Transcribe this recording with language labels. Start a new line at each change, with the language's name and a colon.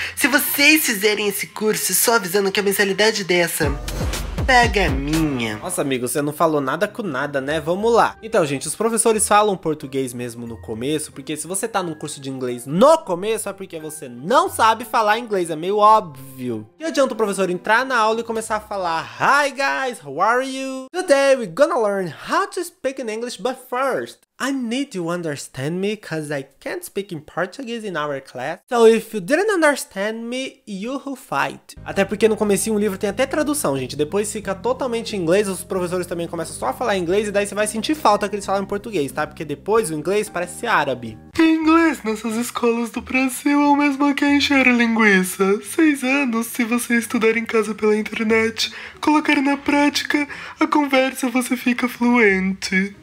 Portuguese: Se vocês fizerem esse curso, só avisando que a mensalidade dessa... Pega a minha. Nossa, amigo, você não falou nada com nada, né? Vamos lá. Então, gente, os professores falam português mesmo no começo, porque se você tá num curso de inglês no começo, é porque você não sabe falar inglês, é meio óbvio. E adianta o professor entrar na aula e começar a falar:
English: "Hi, guys, how are you? Today we're gonna learn how to speak in English, but first, I need you to understand me, because I can't speak in Portuguese in our class. So if you didn't understand me, you who fight."
Portuguese: Até porque no comecinho o livro tem até tradução, gente. Depois fica totalmente em inglês, os professores também começam só a falar inglês, e daí você vai sentir falta que eles falam em português, tá? Porque depois o inglês parece árabe. Tem inglês nessas escolas do Brasil, ou mesmo aqui encher linguiça. 6 anos, se você estudar em casa pela internet, colocar na prática, a conversa você fica fluente.